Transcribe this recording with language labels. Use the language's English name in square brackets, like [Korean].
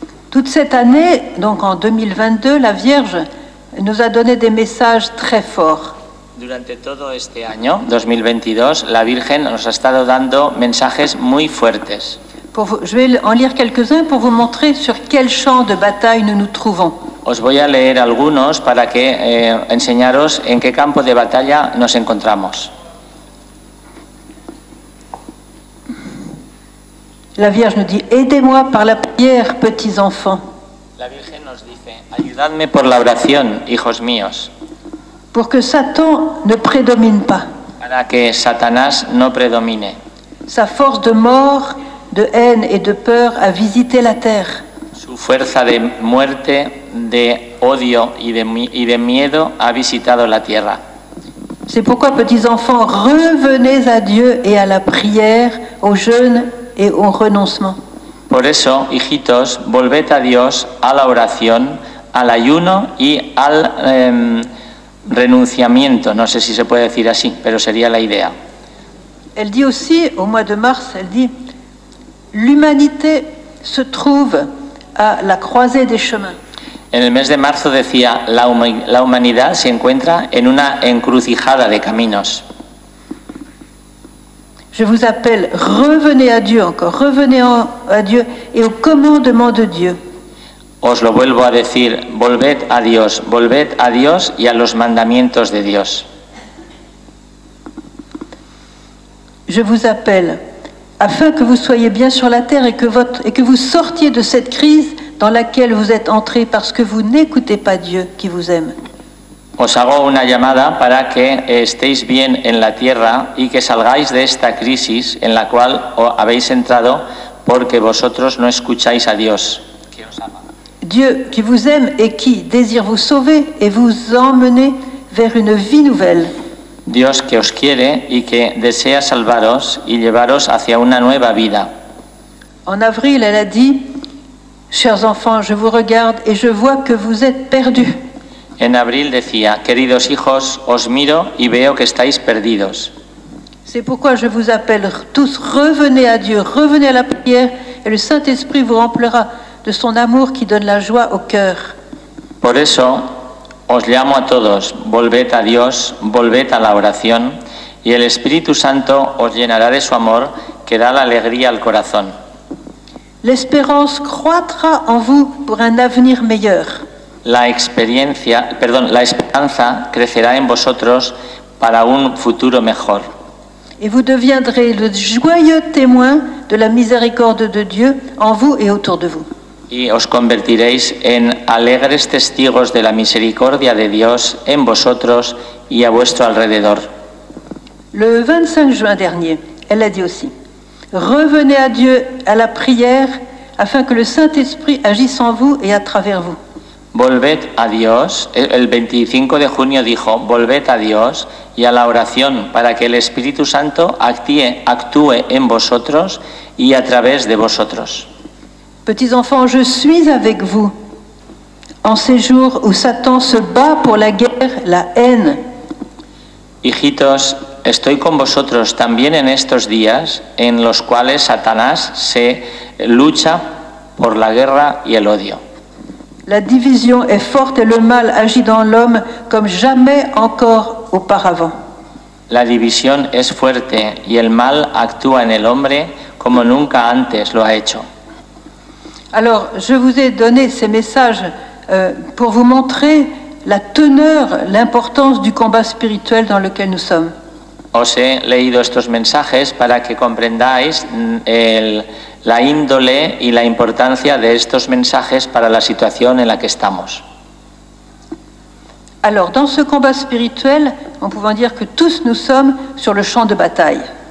[French] Toute cette année, donc en 2022, la Vierge nous a donné des messages très forts. [Spanish] Durante todo este año, 2022, la Virgen nos ha estado dando mensajes muy fuertes. [French] Je vais en lire quelques-uns pour vous montrer sur quel champ de bataille nous nous trouvons. [Spanish] Os voy a leer algunos para que enseñaros en qué campo de batalla nos encontramos. [French] La Vierge nous dit, aidez-moi par la prière, petits enfants. [Spanish] La Virgen nos dice, ayudadme por la oración, hijos míos. [French] Pour que Satan ne prédomine pas. [Spanish] Para que Satanás no predomine. [French] Sa force de mort, de haine et de peur a visité la terre. [Spanish] Su fuerza de muerte, de odio y de miedo ha visitado la tierra. [French] C'est pourquoi, petits enfants, revenez à Dieu et à la prière, au jeûne et au renoncement. [Spanish] Por eso, hijitos, volved a Dios, a la oración, al ayuno y al renunciamiento. No sé si se puede decir así, pero sería la idea. [French] Elle dit aussi, au mois de mars, elle dit, l'humanité se trouve à la croisée des chemins. [Spanish] En el mes de marzo decía, la humanidad se encuentra en una encrucijada de caminos. [French] Je vous appelle, revenez à Dieu encore, revenez à Dieu et au commandement de Dieu. [Spanish] Os lo vuelvo a decir, volved a Dios y a los mandamientos de Dios. [French] Je vous appelle, afin que vous soyez bien sur la terre et que vous sortiez de cette crise dans laquelle vous êtes entrés parce que vous n'écoutez pas Dieu qui vous aime. [Spanish] Os hago una llamada para que estéis bien en la tierra y que salgáis de esta crisis en la cual habéis entrado porque vosotros no escucháis a Dios. [French] Dieu qui vous aime et qui désire vous sauver et vous emmener vers une vie nouvelle. [Spanish] Dios que os quiere y que desea salvaros y llevaros hacia una nueva vida. [French] En avril, elle a dit, chers enfants, je vous regarde et je vois que vous êtes perdus. [Spanish] En abril decía, queridos hijos, os miro y veo que estáis perdidos. [French] C'est pourquoi je vous appelle tous, revenez à Dieu, revenez à la prière, et le Saint-Esprit vous remplira de son amour qui donne la joie au cœur. [Spanish] Por eso, Os llamo a todos, volved a Dios, volved a la oración, y el Espíritu Santo os llenará de su amor, que da la alegría al corazón. [French] L'espérance croîtra en vous pour un avenir meilleur. [Spanish] La esperanza crecerá en vosotros para un futuro mejor. [French] Et vous deviendrez le joyeux témoin de la miséricorde de Dieu en vous et autour de vous. [Spanish] Y os convertiréis en alegres testigos de la misericordia de Dios en vosotros y a vuestro alrededor. [French] Le 25 juin dernier, elle a dit aussi: revenez à Dieu, à la prière, afin que le Saint-Esprit agisse en vous et à travers vous. [Spanish] Volved a Dios, el 25 de junio dijo, volved a Dios y a la oración para que el Espíritu Santo actúe en vosotros y a través de vosotros. [French] Petits enfants, je suis avec vous en ces jours où Satan se bat pour la guerre, la haine. [Spanish] Hijitos, estoy con vosotros también en estos días en los cuales Satanás se lucha por la guerra y el odio. [French] La division est forte et le mal agit dans l'homme comme jamais encore auparavant. [Spanish] La división es fuerte y el mal actúa en el hombre como nunca antes lo ha hecho. [French] Alors, je vous ai donné ces messages pour vous montrer la teneur, l'importance du combat spirituel dans lequel nous sommes. [Spanish] Os he leído estos mensajes para que comprendáis la índole y la importancia de estos mensajes para la situación en la que estamos. [French] Alors, dans ce combat spirituel, on peut dire que tous nous sommes sur le champ de bataille.